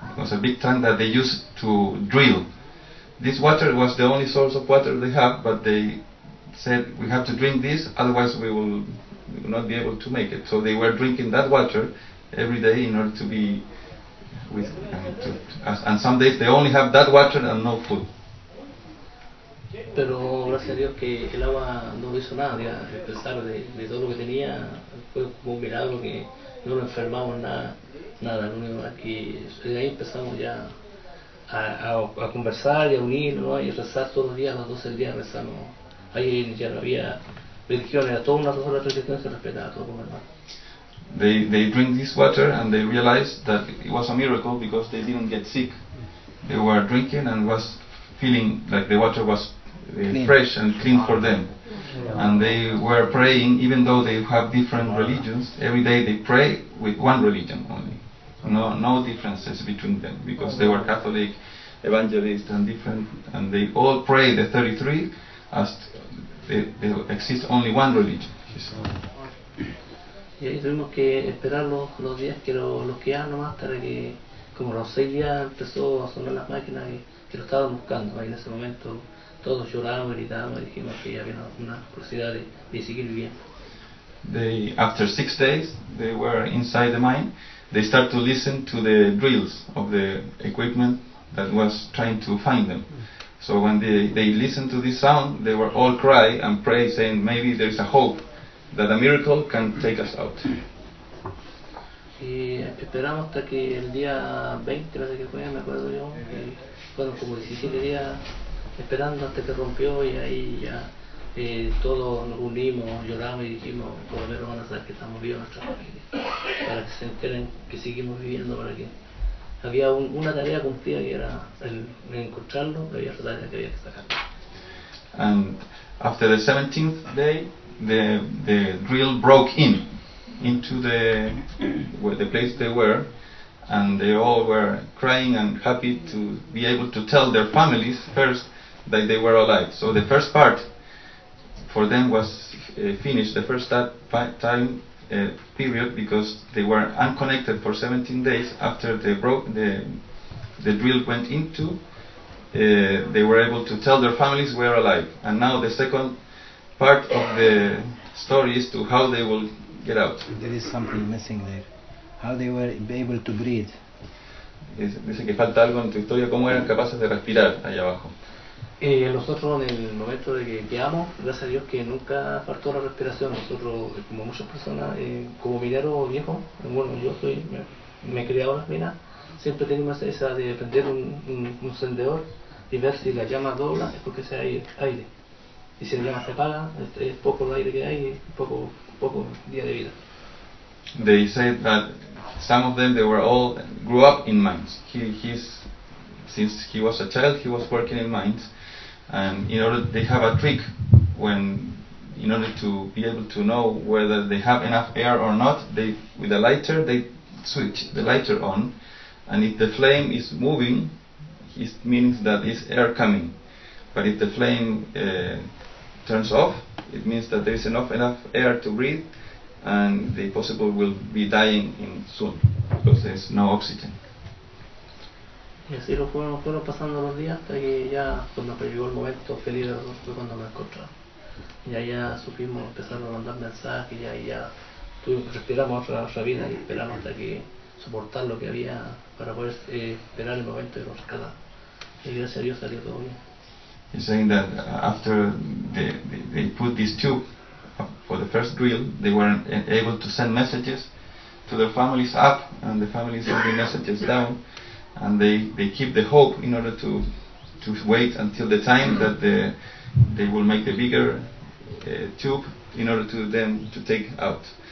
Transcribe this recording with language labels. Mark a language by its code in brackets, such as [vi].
[en] It was a big tank that they used to drill. This water was the only source of water they have, but they said, we have to drink this, otherwise we will not be able to make it. So they were drinking that water every day in order to be with and some days they only have that water and no food. [es] Pero gracias a Dios que el agua no hizo nada, a pesar de todo lo que tenía, fue como un milagro que no nos enfermamos nada, lo único que de ahí empezamos ya a conversar y a unirnos, ¿no? Y a rezar todos los días, los 12 días rezamos. Ahí ya no había religiones, a todas las otras religiones se respetaba, todo como hermano. [en] They drink this water and they realized that it was a miracle because they didn't get sick. They were drinking and was feeling like the water was fresh and clean for them. And they were praying, even though they have different religions, every day they pray with one religion only. No differences between them, because they were Catholic, Evangelist and different, and they all pray the 33 as there exists only one religion. [es] Y ahí tuvimos que esperar los días que lo quedaban nomás para que, como los 6 días empezó a sonar las máquinas y que lo estaban buscando. Ahí en ese momento todos lloramos, gritamos y dijimos que ya había una posibilidad de seguir viviendo. [en] They, after 6 days, they were inside the mine. They start to listen to the drills of the equipment that was trying to find them. So when they listened to this sound, they were all cry and pray, saying maybe there is a hope that a miracle can take us out. [es] Y esperamos hasta que el día 20, parece que fue, me acuerdo yo, fueron como 17 días esperando hasta que rompió y ahí ya todos nos unimos, lloramos y dijimos, por lo menos van a saber que estamos vivos nuestra familia, para que se enteren que seguimos viviendo, para que había una tarea cumplida que era el encontrarlo, pero había otra tarea que había que sacarlo. [en] And after the 17th day, the drill broke into the where the place they were, and they all were crying and happy to be able to tell their families first that they were alive. So the first part for them was finished, the first time period, because they were unconnected for 17 days after they broke the drill went into. They were able to tell their families were alive, and now the second part of the story is to how they will get out. There is something missing there. How they were able to breathe. [es] Dice que falta algo en tu historia, cómo eran capaces de respirar allá abajo. Nosotros en el momento de que quedamos, gracias a Dios que nunca faltó la respiración. Nosotros, como muchas personas, como mineros viejos, bueno, yo soy, me he criado en las minas, siempre tenemos esa de prender un encendedor y ver si la llama dobla, es porque se hay aire. Y si la llama se apaga, es poco el aire que hay, poco día de vida. [en] They said that some of them, they were all grew up in mines. Since he was a child, he was working in mines, and they have a trick when, in order to be able to know whether they have enough air or not, they with a lighter they switch the lighter on, and if the flame is moving, it means that is air coming, but if the flame turns off, it means that there is enough air to breathe, and they possibly will be dying soon because there is no oxygen. [es] Y así lo fueron pasando los días hasta que ya cuando llegó el momento feliz fue cuando me encontraron. Y ahí ya supimos, empezaron a mandar mensajes y ahí ya respiramos otra vida y esperamos hasta que soportar lo que había para poder esperar el momento de los rescatados. Y gracias a Dios salió todo bien. [en] He's saying that after they put this tube for the first drill, they weren't able to send messages to their families up and the families sending messages down. And they keep the hope in order to wait until the time that they will make the bigger tube in order to them to take out.